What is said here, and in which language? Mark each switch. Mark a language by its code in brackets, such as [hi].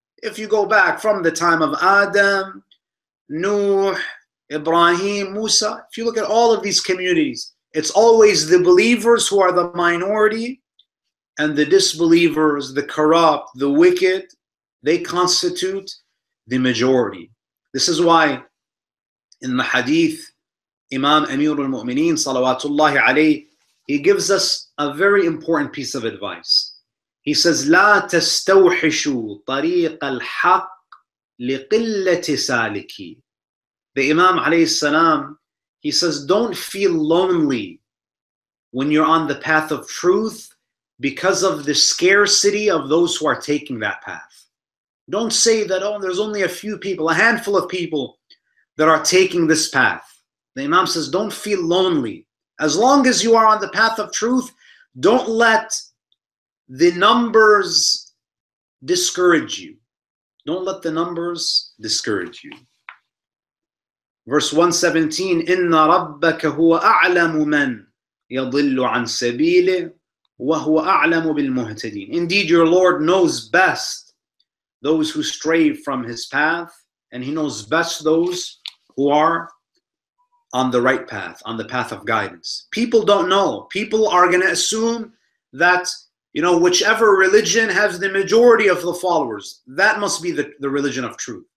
[en] If you go back from the time of Adam, Nuh, Ibrahim, Musa, if you look at all of these communities, it's always the believers who are the minority, and the disbelievers, the corrupt, the wicked, they constitute the majority. This is why in the hadith, Imam Amir al-Mu'mineen, salawatullahi alayhi, he gives us a very important piece of advice. He says, [ar] لا تستوحشوا طريق الحق لقلة سالكي. [en] The Imam alayhi salam, he says, don't feel lonely when you're on the path of truth because of the scarcity of those who are taking that path. Don't say that, oh, there's only a few people, a handful of people that are taking this path. The Imam says, don't feel lonely. As long as you are on the path of truth, don't let the numbers discourage you. Don't let the numbers discourage you. Verse 117, [ar] إِنَّ رَبَّكَ هُوَ أَعْلَمُ مَنْ يَضِلُّ عَنْ سَبِيلِ وَهُوَ أَعْلَمُ بِالْمُهْتَدِينَ. [en] Indeed, your Lord knows best those who stray from His path, and He knows best those who are on the right path, on the path of guidance. People don't know. People are going to assume that, you know, whichever religion has the majority of the followers, that must be the religion of truth.